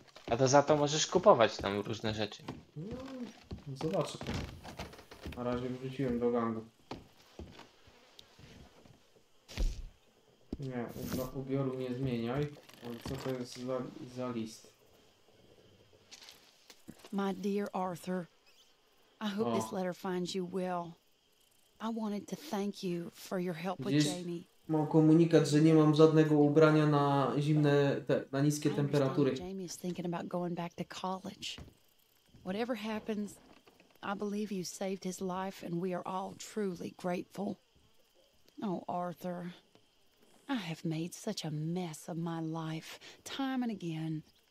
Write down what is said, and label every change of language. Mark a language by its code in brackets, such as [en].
[pl] A to za to możesz kupować tam różne rzeczy. Zobaczę to. Na razie wrzuciłem do gangu. Nie, ubioru nie zmieniaj. Ale co to jest za list? [en] My dear Arthur, I hope this letter finds you well. I wanted to thank you for your help with Jamie. [pl] Mam komunikat, że nie mam żadnego ubrania na zimne, na niskie temperatury. [en] Jamie is thinking about going back to college. Whatever happens, I believe you saved his life, and we are all truly grateful. Oh, Arthur, I have made such a mess of my life, time and again.